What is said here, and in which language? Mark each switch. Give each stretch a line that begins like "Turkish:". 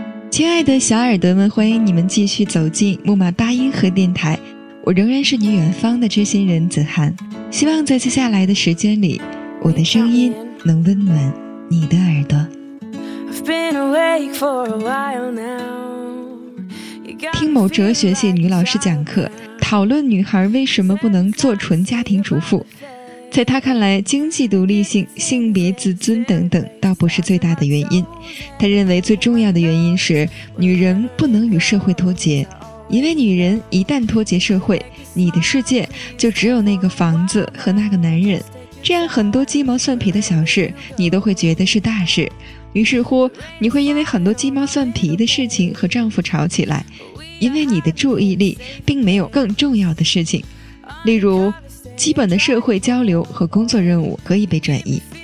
Chinese: 亲爱的小耳朵们，欢迎你们继续走进木马八音盒电台，我仍然是你远方的知心人子涵，希望在接下来的时间里，我的声音能温暖你的耳朵。
English: I've been awake for a while now。
Chinese: 听某哲学系女老师讲课，讨论女孩为什么不能做纯家庭主妇。在她看来，经济独立性、性别自尊等等倒不是最大的原因。她认为最重要的原因是女人不能与社会脱节，因为女人一旦脱节社会，你的世界就只有那个房子和那个男人，这样很多鸡毛蒜皮的小事你都会觉得是大事，于是乎你会因为很多鸡毛蒜皮的事情和丈夫吵起来，因为你的注意力并没有更重要的事情，例如基本的社会交流和工作任务可以被转移。